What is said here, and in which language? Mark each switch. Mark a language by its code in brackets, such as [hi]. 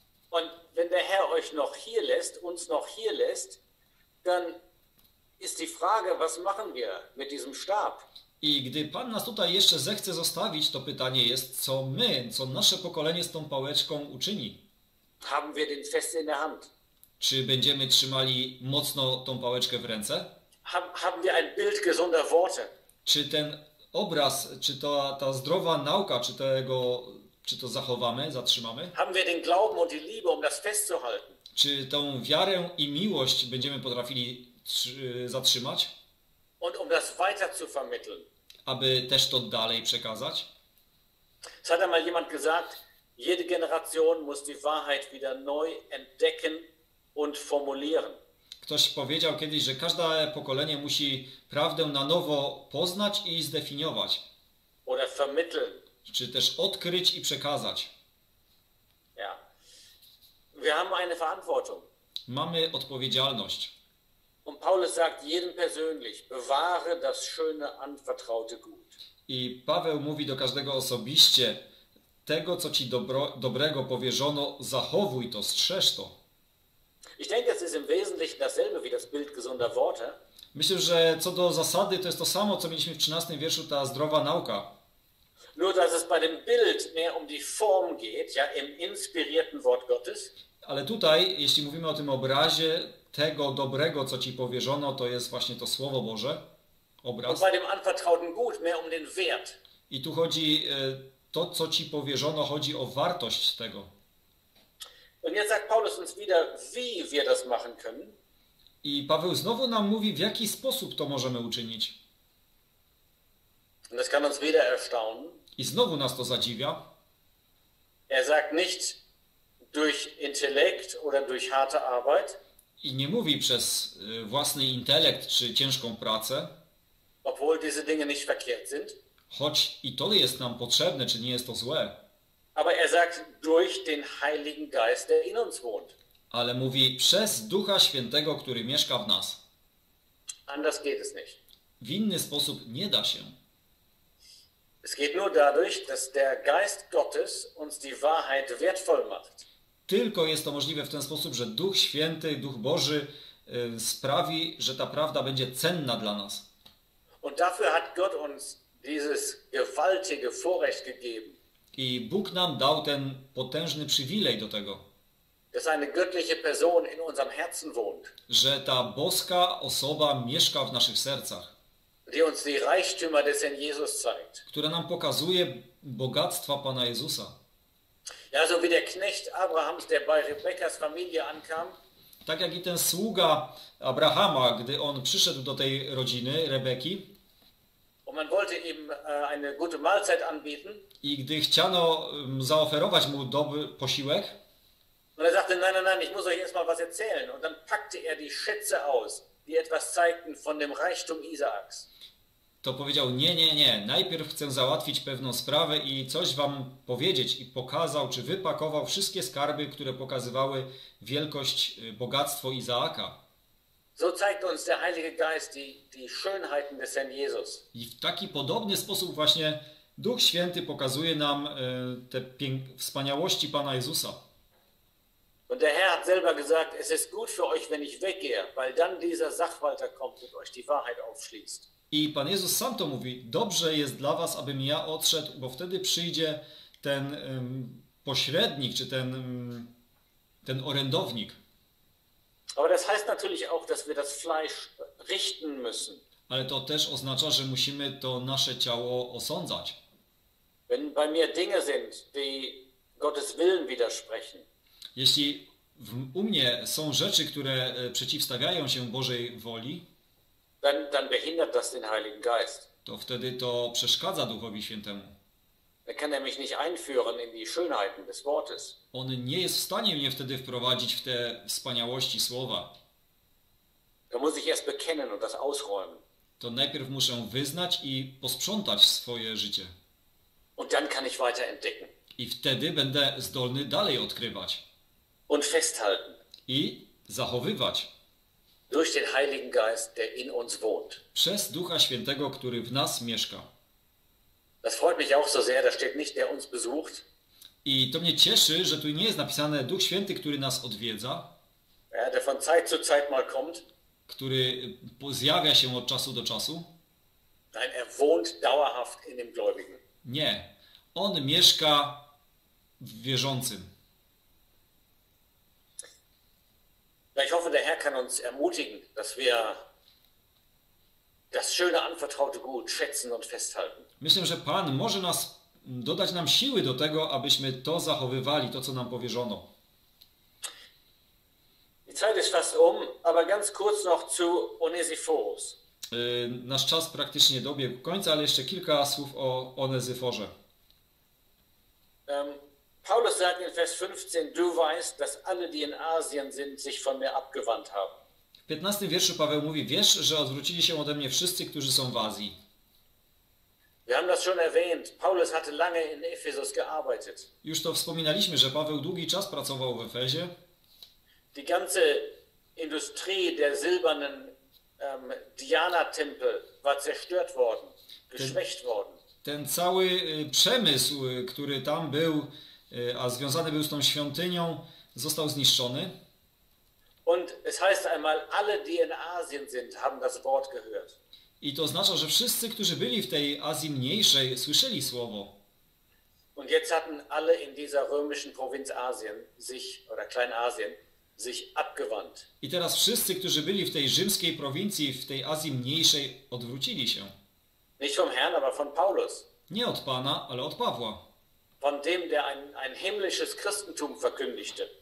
[de] Und wenn der Herr euch noch hier lässt, uns noch hier lässt, dann ist die Frage, was machen wir mit diesem Stab? [pl] I gdy Pan nas tutaj jeszcze zechce zostawić, to pytanie jest, co my, co nasze pokolenie z tą pałeczką uczyni? [de] Haben wir den fest in der Hand? [pl] Czy będziemy trzymali mocno tą pałeczkę w ręce? [de] Haben wir ein Bild gesunder Worte? [pl] Czy ten obraz, czy ta zdrowa nauka, czy to zachowamy, zatrzymamy? [de] Haben wir den Glauben und die Liebe, um das festzuhalten? [pl] Czy tą wiarę i miłość będziemy potrafili zatrzymać? [de] Und um das weiter zu vermitteln. [pl] Aby też to dalej przekazać? [de] Es hat einmal jemand gesagt, jede Generation muss die Wahrheit wieder neu entdecken. Und formulieren. [pl] Ktoś powiedział kiedyś, że każde pokolenie musi prawdę na nowo poznać i zdefiniować. [de] Oder vermitteln. [pl] Czy też odkryć i przekazać. [de] Ja. Wir haben eine Verantwortung. [pl] Mamy odpowiedzialność. [de] Und Paulus sagt jedem persönlich, bewahre das schöne anvertraute gut. [pl] I Paweł mówi do każdego osobiście, tego co ci dobrego powierzono, zachowuj to, strzeż to. [de] Ich denke, es ist im Wesentlichen dasselbe wie das Bild gesunder Worte. [pl] Myślę, że co do zasady to jest to samo, co mieliśmy w 13 wierszu, ta zdrowa nauka. [de] Nur, dass es bei dem Bild mehr um die Form geht, ja, im inspirierten Wort Gottes. [pl] Ale tutaj, jeśli mówimy o tym obrazie tego dobrego, co ci powierzono, to jest właśnie to Słowo Boże, obraz. [de] Und bei dem anvertrauten Gut mehr um den Wert. [pl] I tu chodzi to, co ci powierzono, chodzi o wartość tego. [de] Und jetzt sagt Paulus uns wieder, wie wir das machen können. [pl] I Paweł znowu nam mówi, w jaki sposób to możemy uczynić. [de] Und das kann uns wieder erstaunen. [pl] I znowu nas to zadziwia. [de] Er sagt nicht durch Intellekt oder durch harte Arbeit. [pl] I nie mówi przez własny intelekt czy ciężką pracę. [de] Obwohl diese Dinge nicht verkehrt sind. [pl] Choć i to jest nam potrzebne, czy nie jest to złe. [de] Aber er sagt durch den Heiligen Geist, der in uns wohnt. [pl] Ale mówi przez Ducha Świętego, który mieszka w nas. [de] Anders geht es nicht. [pl] W inny sposób nie da się. [de] Es geht nur dadurch, dass der Geist Gottes uns die Wahrheit wertvoll macht. [pl] Tylko jest to możliwe w ten sposób, że Duch Święty, Duch Boży sprawi, że ta prawda będzie cenna dla nas. [de] Und dafür hat Gott uns dieses gewaltige Vorrecht gegeben. [pl] I Bóg nam dał ten potężny przywilej do tego, [de] dass eine göttliche Person in unserem Herzen wohnt, [pl] że ta boska osoba mieszka w naszych sercach, [de] die uns die Reichtümer des Herrn Jesus zeigt, [pl] która nam pokazuje bogactwa Pana Jezusa. [de] Ja, so wie der Knecht Abrahams, der bei Rebekkas Familie ankam, [pl] tak jak i ten sługa Abrahama, gdy on przyszedł do tej rodziny Rebeki, [de] und man wollte ihm eine gute Mahlzeit anbieten. [pl] I gdy chciano zaoferować mu dobry posiłek, [de] und er sagte, nein, nein, nein, ich muss euch erstmal was erzählen. Und dann packte er die Schätze aus, die etwas zeigten von dem Reichtum Isaaks. [pl] To powiedział, nie, nie, nie, najpierw chcę załatwić pewną sprawę i coś wam powiedzieć. I pokazał, czy wypakował wszystkie skarby, które pokazywały wielkość, bogactwo Izaaka. [de] So zeigt uns der Heilige Geist die Schönheiten des Herrn Jesus. [pl] I w taki podobny sposób właśnie Duch Święty pokazuje nam te wspaniałości Pana Jezusa. [de] Und der Herr hat selber gesagt, es ist gut für euch, wenn ich weggehe, weil dann dieser Sachwalter kommt und euch die Wahrheit aufschließt. [pl] I Pan Jezus sam to mówi, dobrze jest dla was, abym ja odszedł, bo wtedy przyjdzie ten pośrednik, czy ten orędownik. [de] Aber das heißt natürlich auch, dass wir das Fleisch richten müssen. [pl] Ale to też oznacza, że musimy to nasze ciało osądzać. [de] Wenn bei mir Dinge sind, die Gottes Willen widersprechen. [pl] Jeśli u mnie są rzeczy, które przeciwstawiają się Bożej woli, [de] dann behindert das den Heiligen Geist. [pl] To wtedy to przeszkadza Duchowi Świętemu. [de] Er kann mich nicht einführen in die Schönheiten des Wortes. [pl] On nie jest w stanie mnie wtedy wprowadzić w te wspaniałości słowa. [de] Da muss ich erst bekennen und das ausräumen. [pl] to najpierw muszę wyznać i posprzątać swoje życie. [de] Und dann kann ich weiter entdecken. [pl] I wtedy będę zdolny dalej odkrywać. [de] Und festhalten. [pl] I zachowywać. [de] Durch den Heiligen Geist, der in uns wohnt. [pl] Przez Ducha Świętego, który w nas mieszka. [de] Das freut mich auch so sehr, da steht nicht, der uns besucht. [pl] I to mnie cieszy, że tu nie jest napisane Duch Święty, który nas odwiedza. [de] Ja, der von Zeit zu Zeit mal kommt. [pl] Który zjawia się od czasu do czasu. [de] Nein, er wohnt dauerhaft in dem Gläubigen. [pl] Nie. On mieszka w wierzącym. [de] Ich hoffe, der Herr kann uns ermutigen, dass wir das schöne anvertraute Gut schätzen und festhalten. [pl] Myślę, że Pan może nas dodać nam siły do tego, abyśmy to zachowywali, to co nam powierzono. [de] Die Zeit ist fast um, aber ganz kurz noch zu Onesiphorus. [pl] Nasz czas praktycznie dobiegł końca, ale jeszcze kilka słów o Onesiforze. [de] Paulus sagt in Vers 15, du weißt, dass alle, die in Asien sind, sich von mir abgewandt haben. [pl] W 15 wierszu Paweł mówi, wiesz, że odwrócili się ode mnie wszyscy, którzy są w Azji. [de] Wir haben das schon erwähnt. Paulus hatte lange in Ephesus gearbeitet. [pl] Już to wspominaliśmy, że Paweł długi czas pracował w Efezie. [de] Die ganze Industrie der silbernen Diana-Tempel war zerstört worden, geschwächt worden. [pl] Ten cały przemysł, który tam był, a związany był z tą świątynią, został zniszczony. [de] Und es heißt einmal, alle, die in Asien sind, haben das Wort gehört. [pl] I to oznacza, że wszyscy, którzy byli w tej Azji Mniejszej, słyszeli słowo. [de] Und jetzt hatten alle in dieser römischen Provinz Asien sich, oder Kleinasien, sich abgewandt. [pl] I teraz wszyscy, którzy byli w tej rzymskiej prowincji, w tej Azji Mniejszej, odwrócili się. [de] Nicht vom Herrn, aber von Paulus. [pl] Nie od Pana, ale od Pawła. [de] Von dem, der ein himmlisches Christentum verkündigte.